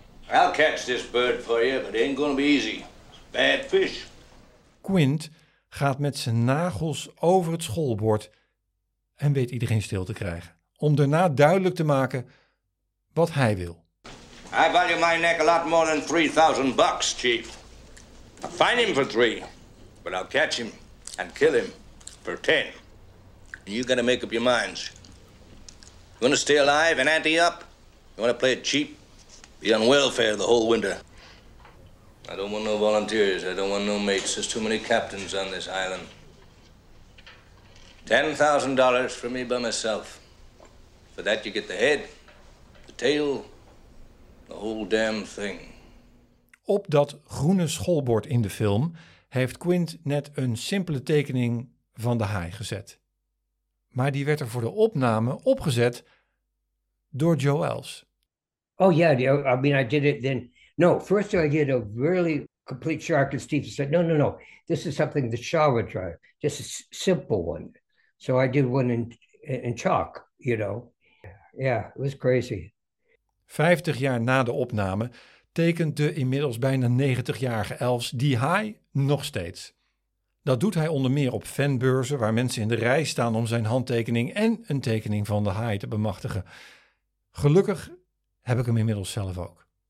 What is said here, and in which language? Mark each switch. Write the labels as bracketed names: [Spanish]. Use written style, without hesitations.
[English] I'll catch this bird for you, but it ain't gonna be easy. It's bad fish. [Dutch] Quint gaat met zijn nagels over het schoolbord en weet iedereen stil te krijgen. Om daarna duidelijk te maken wat hij wil. [English] I value my neck a lot more than $3,000, chief. I'll fine him for $3,000, but I'll catch him and kill him for $10,000. And you gotta make up your minds. You want to stay alive and ante up? You want to play it cheap? Be on welfare the whole winter. I don't want no volunteers. I don't want no mates. There's too many captains on this island. $10,000 for me by myself. For that you get the head, the tail, the whole damn thing. [Dutch] Op dat groene schoolbord in de film heeft Quint net een simpele tekening van de haai gezet. Maar die werd er voor de opname opgezet door Joe Els. [English] Oh yeah, I mean I did it then. No, first I did a really complete shark and Steve said, no, this is something the Shaw would draw, just a simple one. So I did one in chalk, you know. Yeah, it was crazy. [Dutch] 50 jaar na de opname tekent de inmiddels bijna 90-jarige Els die haai nog steeds. Dat doet hij onder meer op fanbeurzen waar mensen in de rij staan om zijn handtekening en een tekening van de haai te bemachtigen. Gelukkig heb ik hem inmiddels zelf ook.